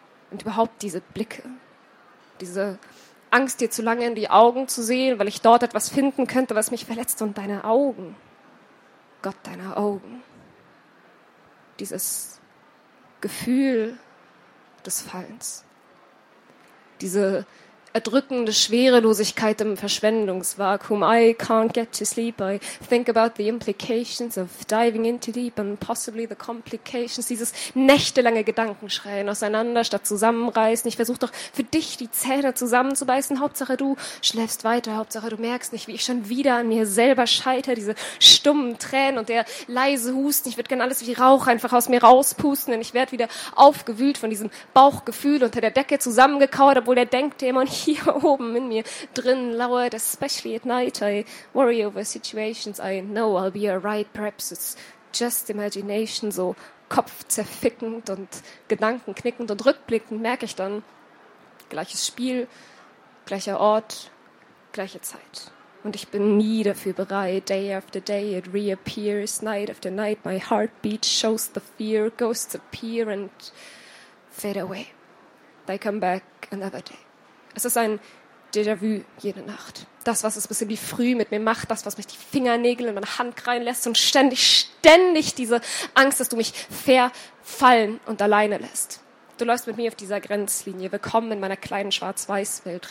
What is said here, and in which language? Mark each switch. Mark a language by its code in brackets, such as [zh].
[de] Und überhaupt diese Blicke, diese Angst, dir zu lange in die Augen zu sehen, weil ich dort etwas finden könnte, was mich verletzt. Und deine Augen, Gott, deine Augen. Dieses Gefühl des Fallens. Diese erdrückende Schwerelosigkeit im Verschwendungsvakuum. [en] I can't get to sleep. I think about the implications of diving into deep and possibly the complications. [de] Dieses nächtelange Gedankenschreien auseinander statt zusammenreißen. Ich versuche doch für dich die Zähne zusammenzubeißen. Hauptsache du schläfst weiter. Hauptsache du merkst nicht, wie ich schon wieder an mir selber scheitere. Diese stummen Tränen und der leise Husten. Ich würde gerne alles wie Rauch einfach aus mir rauspusten, denn ich werde wieder aufgewühlt von diesem Bauchgefühl unter der Decke zusammengekauert, obwohl der denkt, der immer hier oben in mir drin lauert, [en] especially at night. I worry over situations. I know I'll be alright. Perhaps it's just imagination. [de] So kopfzerfickend und gedankenknickend und rückblickend merke ich dann, gleiches Spiel, gleicher Ort, gleiche Zeit. Und ich bin nie dafür bereit. [en] Day after day it reappears. Night after night my heartbeat shows the fear. Ghosts appear and fade away. They come back another day. [de] Es ist ein Déjà-vu jede Nacht. Das, was es bis in die Früh mit mir macht, das, was mich die Fingernägel in meine Hand krallen lässt und ständig, ständig diese Angst, dass du mich verfallen und alleine lässt. Du läufst mit mir auf dieser Grenzlinie. Willkommen in meiner kleinen Schwarz-Weiß-Welt.